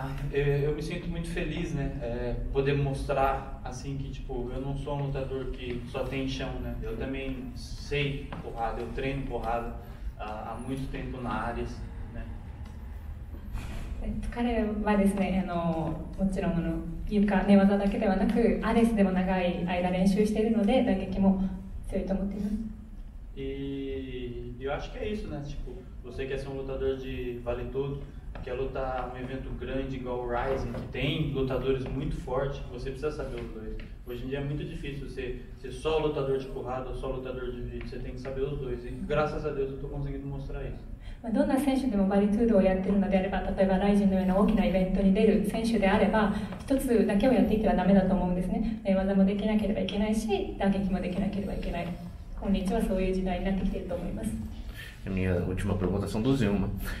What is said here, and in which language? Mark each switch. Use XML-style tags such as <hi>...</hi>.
<pt>Eu me sinto muito feliz, né? Poder mostrar assim que tipo, eu não sou um lutador que só tem chão, né? Eu também sei porrada, eu treino porrada há muito tempo na Ares, né?</pt> <ja>彼はですね、もちろん床寝技だけではなく、アレスでも長い間練習しているので、打撃も強いと思っています。</ja> <pt>Eu acho que é isso, né? Tipo, você quer ser um lutador de vale tudo, quer lutar um evento grande igual o Rising, que tem lutadores muito fortes, você precisa saber os dois. Hoje em dia é muito difícil você ser só lutador de porrada ou só lutador de vídeo, você tem que saber os dois. E graças a Deus eu estou conseguindo mostrar isso.</pt> <ja>どんな選手でもバリトゥードをやっているのであれば、例えばライジンのような大きなイベントに出る選手であれば、一つだけをやっていてはダメだと思うんですね。寝技もできなければいけないし、打撃もできなければいけない。今日はそういう時代になってきていると思います。</ja> <pt>Minha última pergunta são duas em uma.</pt>